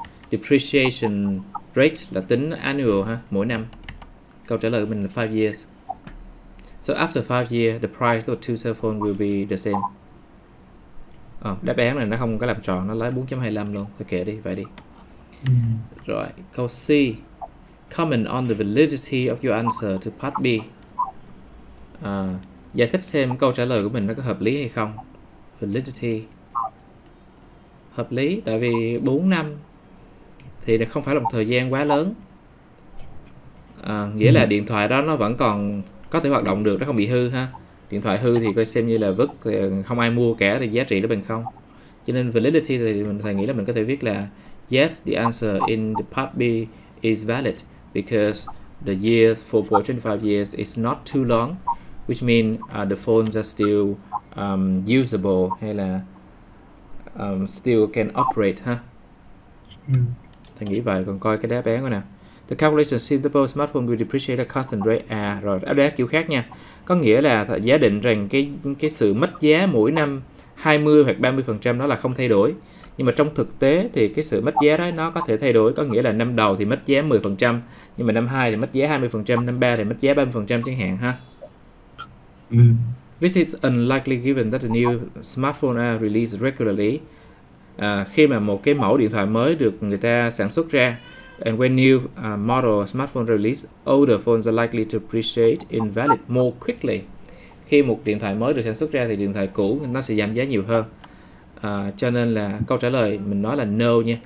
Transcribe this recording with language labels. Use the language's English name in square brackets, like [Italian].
[English] Depreciation rate [Vietnamese] là tính annual ha, mỗi năm. Câu trả lời của mình là [English] 5 years. So after 5 years, the price of two cell phone will be the same. [Vietnamese] Đáp án này nó không có làm tròn, nó lấy 4.25 luôn. Thôi kệ đi, vậy đi. Rồi, câu C. [English] Comment on the validity of your answer to part B. [Vietnamese] Giải thích xem câu trả lời của mình nó có hợp lý hay không. Validity. Hợp lý, tại vì 4 năm thì nó không phải là một thời gian quá lớn. Nghĩa là điện thoại đó nó vẫn còn có thể hoạt động được, nó không bị hư ha. Điện thoại hư thì coi xem như là vứt, không ai mua cả thì giá trị nó bằng không. Cho nên validity thì mình thầy nghĩ là mình có thể viết là [English] yes, the answer in the part B is valid because the year 4.25 years is not too long, which means the phones are still usable [Vietnamese] hay là [English] still can operate ha. [Vietnamese] Thầy nghĩ vậy, còn coi cái đáp án coi nè. [English] The calculation suitable smartphone will depreciate at constant rate. [Vietnamese] À rồi, đáp án kiểu khác nha. Có nghĩa là giả định rằng cái sự mất giá mỗi năm 20 hoặc 30% đó là không thay đổi. Nhưng mà trong thực tế thì cái sự mất giá đó nó có thể thay đổi. Có nghĩa là năm đầu thì mất giá 10%, nhưng mà năm 2 thì mất giá 20%, năm 3 thì mất giá 30% chẳng hạn ha. [English] This is unlikely given that the new smartphone are released regularly. [Vietnamese] Khi mà một cái mẫu điện thoại mới được người ta sản xuất ra, [English] and when new model smartphone release, older phones are likely to appreciate in value more quickly. [Vietnamese] Khi một điện thoại mới được sản xuất ra thì điện thoại cũ nó sẽ giảm giá nhiều hơn. Cho nên là câu trả lời mình nói là no nha.